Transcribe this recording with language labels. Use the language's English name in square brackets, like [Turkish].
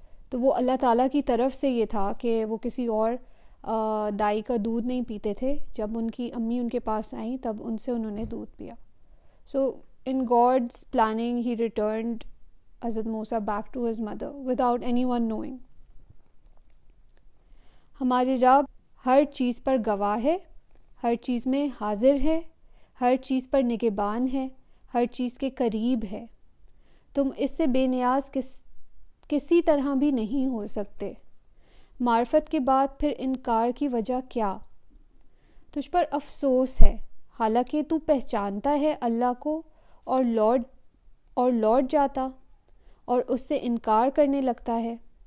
[Urdu] تو وہ اللہ تعالیٰ کی طرف سے یہ تھا کہ وہ کسی اور دائی کا دودھ نہیں پیتے تھے. جب ان کی امی ان کے پاس آئیں تب ان سے انہوں نے دودھ پیا. [English] So in God's planning, he returned Hazrat Musa back to his mother without anyone knowing. [Urdu] ہمارے رب ہر چیز پر گواہ ہے, ہر چیز میں حاضر ہے, ہر چیز پر نگہبان ہے, ہر چیز کے قریب ہے. تم اس سے بے نیاز کسی طرح بھی نہیں ہو سکتے. معرفت کے بعد پھر انکار کی وجہ کیا؟ تجھ پر افسوس ہے, حالانکہ تو پہچانتا ہے اللہ کو اور لوٹ جاتا اور اس سے انکار کرنے لگتا ہے.